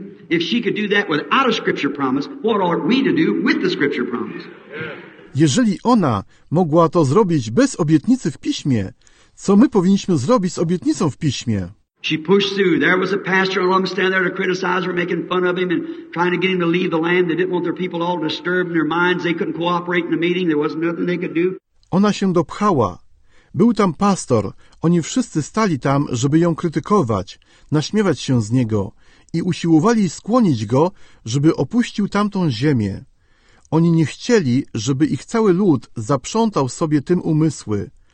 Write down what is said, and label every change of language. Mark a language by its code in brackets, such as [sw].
[en] If she could do that without a scripture promise, what ought we to do with the scripture promise? [pl] Jeżeli ona mogła to zrobić bez obietnicy w piśmie, co my powinniśmy zrobić z obietnicą w piśmie? [en] She pushed through. There was a pastor along standing there to criticize her, making fun of him and trying to get him to leave the land. They didn't want their people all disturbed in their minds. They couldn't cooperate in the meeting. There wasn't nothing they could do. [pl] Ona się dopchała. Był tam pastor. Oni wszyscy stali tam, żeby ją krytykować, naśmiewać się z niego i usiłowali skłonić go, żeby opuścił tamtą ziemię. Oni nie chcieli, żeby ich cały lud zaprzątał sobie tym umysły.